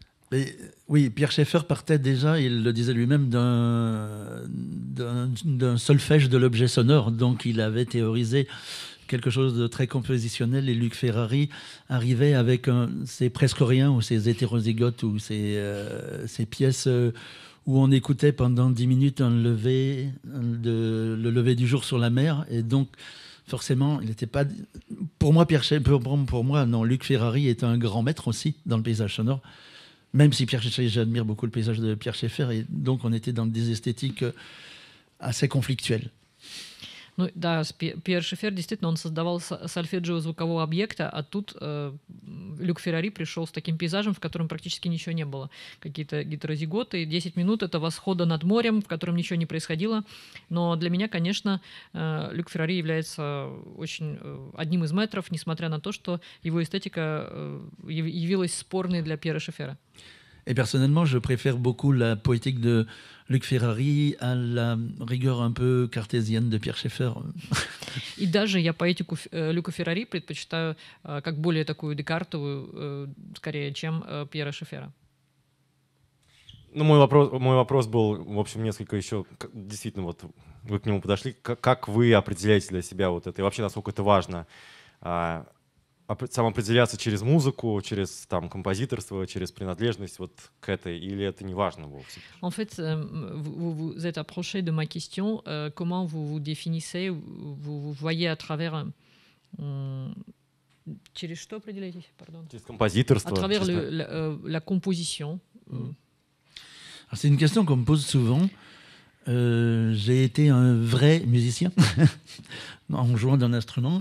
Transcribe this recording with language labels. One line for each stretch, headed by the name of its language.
French: Mais, oui, Pierre Schaeffer partait déjà, il le disait lui-même, d'un solfège de l'objet sonore, donc il avait théorisé quelque chose de très compositionnel, et Luc Ferrari arrivait avec ses presque rien, ou ses hétérozygotes, ou ses pièces où on écoutait pendant 10 minutes le lever du jour sur la mer. Et donc, forcément, il n'était pas. Pour moi, non, Luc Ferrari est un grand maître aussi dans le paysage sonore, même si Pierre Schaeffer, j'admire beaucoup le paysage de Pierre Schaeffer, et donc on était dans des esthétiques assez conflictuelles.
Russian: Ну да, Пьер Шефер действительно, он создавал сольфеджио звукового объекта, а тут Люк Феррари пришел с таким пейзажем, в котором практически ничего не было. Какие-то гетерозиготы, 10 минут — это восхода над морем, в котором ничего не происходило. Но для меня, конечно, Люк Феррари является очень одним из мэтров, несмотря на то, что его эстетика явилась спорной для Пьера Шефера.
French: Et personnellement, je préfère beaucoup la poétique de Luc Ferrari à la rigueur un peu cartésienne de Pierre Schaeffer. Et
Russian: даже я поэтику Люка Феррари предпочитаю как более такую декартовую скорее, чем Пьера Шефера. Ну, мой вопрос был, в общем, несколько еще, действительно, вот вы к нему подошли, как вы определяете для себя вот это и вообще насколько это важно? Самоопределяться через музыку, через там композиторство, через принадлежность вот к этой, или это не важно вовсе?
French: En fait, vous êtes approché de ma question. Comment vous définissez, vous voyez à travers
Russian: через что определяете?
French: Pardon.
Russian: Через композиторство.
French: À travers la composition. C'est une question qu'on me pose souvent. J'ai été un vrai musicien en jouant d'un instrument.